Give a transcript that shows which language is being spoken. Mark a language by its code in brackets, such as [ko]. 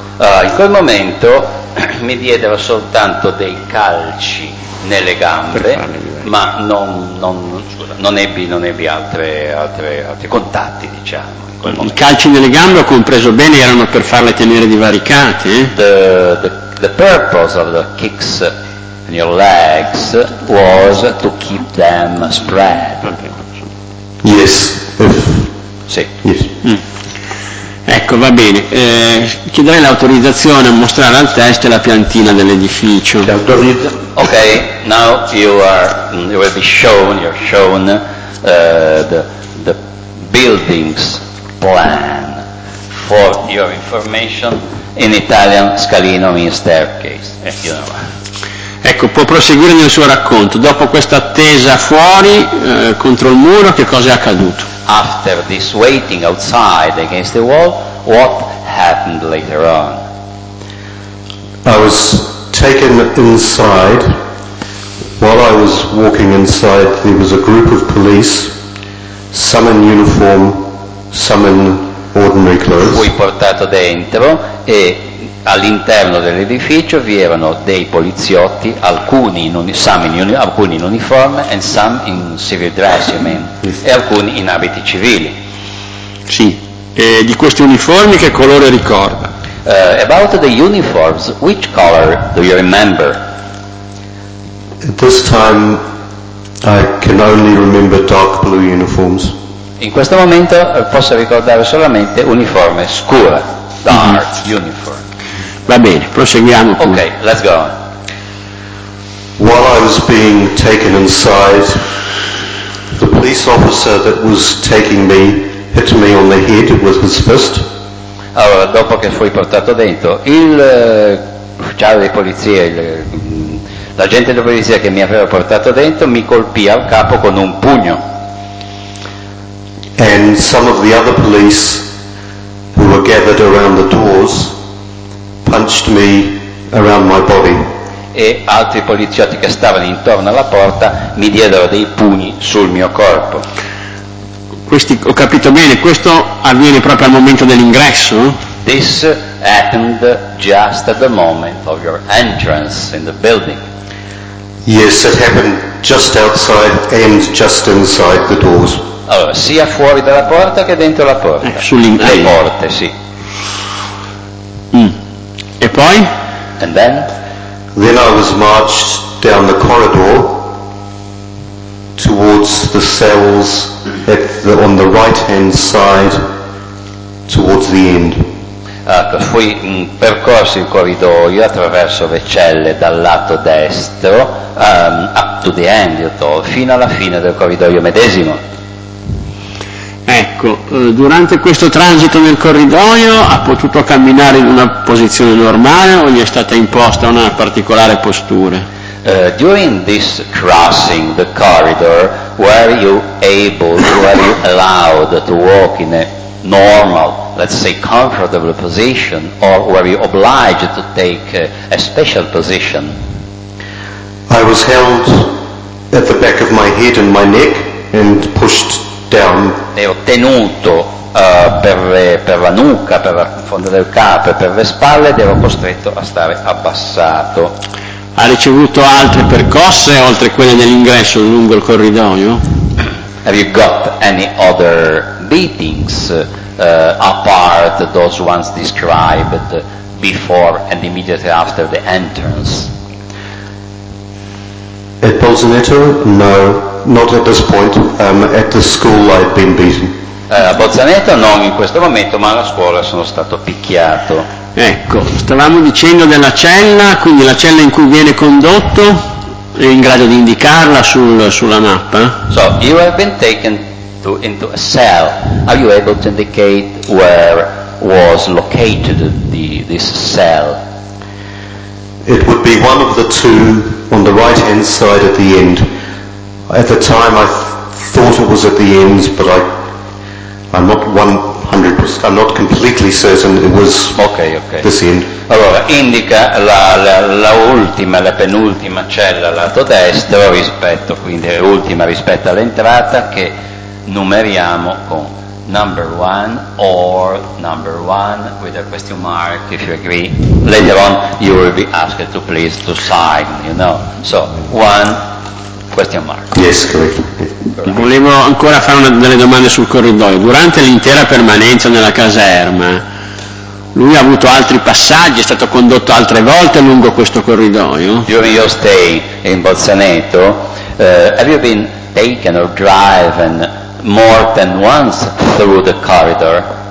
[it] In quel momento mi diedero soltanto dei calci nelle gambe, ma non ebbi altri contatti, diciamo. I calci nelle gambe, ho compreso bene, erano per farle tenere divaricate. [en] The purpose of the kicks in your legs was to keep them spread. Yes. [it] Sì. [en] Yes. [it] Ecco, va bene. Chiederei l'autorizzazione a mostrare al test la piantina dell'edificio. [en] Ok, now you are shown the building's plan. For your information, in Italian scalino means staircase, you know. [it] Ecco, può proseguire nel suo racconto. Dopo questa attesa fuori, contro il muro, che cosa è accaduto? [en] After this waiting outside against the wall, what happened later on? I was taken inside. While I was walking inside, there was a group of police, some in uniform, some in ordinary clothes. [it] Fui portato dentro e all'interno dell'edificio vi erano dei poliziotti, alcuni in uniforme [en] and some in civil dress, I mean, [it] e alcuni in abiti civili. Sì, e di questi uniformi che colore ricorda? [en] About the uniforms, which color do you remember? At this time I can only remember dark blue uniforms. [it] In questo momento posso ricordare solamente uniforme scura, [en] dark uniform. [it] Va bene, proseguiamo. [en] Ok, let's go on. While I was being taken inside, the police officer that was taking me hit me on the head with his fist. [it] Allora, dopo che fui portato dentro, il ufficiale di polizia, l'agente di polizia che mi aveva portato dentro, mi colpì al capo con un pugno. [en] And some of the other police who were gathered around the doors punched me around my body. [it] E altri poliziotti che stavano intorno alla porta mi diedero dei pugni sul mio corpo. Questi, ho capito bene, questo avviene proprio al momento dell'ingresso? [en] This happened just at the moment of your entrance in the building. Yes, it happened just outside and just inside the doors. [it] Allora, sia fuori dalla porta che dentro la porta. Sull'interno. Le porte, sì. E poi? [en] And then? Then I was marched down the corridor towards the cells on the right hand side towards the end. [it] Ecco, fui percorso il corridoio attraverso le celle dal lato destro, [en] up to the end, [it] fino alla fine del corridoio medesimo. Ecco, durante questo transito nel corridoio ha potuto camminare in una posizione normale o gli è stata imposta una particolare postura? [en] During this crossing the corridor, were you allowed to walk in a normal, let's say comfortable position, or were you obliged to take a special position? I was held at the back of my head and my neck and pushed down. [it] E ho tenuto per la nuca, per la fondo del capo e per le spalle, ed ero costretto a stare abbassato. Ha ricevuto altre percosse oltre quelle dell'ingresso lungo il corridoio? [en] Have you got any other beatings apart those ones described before and immediately after the entrance? At Bolzaneto? No, not at this point. At the school I've been beaten. [it] Bolzaneto non in questo momento, ma alla scuola sono stato picchiato. Ecco, stavamo dicendo della cella, quindi la cella in cui viene condotto, è in grado di indicarla sulla mappa? [en] So, you have been taken into a cell. Are you able to indicate where was located this cell? It would be one of the two on the right hand side at the end. At the time I thought it was at the ends, but I'm not 100%, I'm not completely certain it was okay. This end. [it] Allora, indica la penultima cella lato destro, rispetto, quindi l'ultima rispetto all'entrata, che numeriamo con [en] number one or number one with a question mark, if you agree. Later on you will be asked to please to sign, you know. So, one question mark. Yes, correct. [it] Volevo ancora fare delle domande sul corridoio. Durante l'intera permanenza nella caserma, lui ha avuto altri passaggi, è stato condotto altre volte lungo questo corridoio? [en] During your stay in Bolzaneto, have you been taken or driven more than once through the corridor?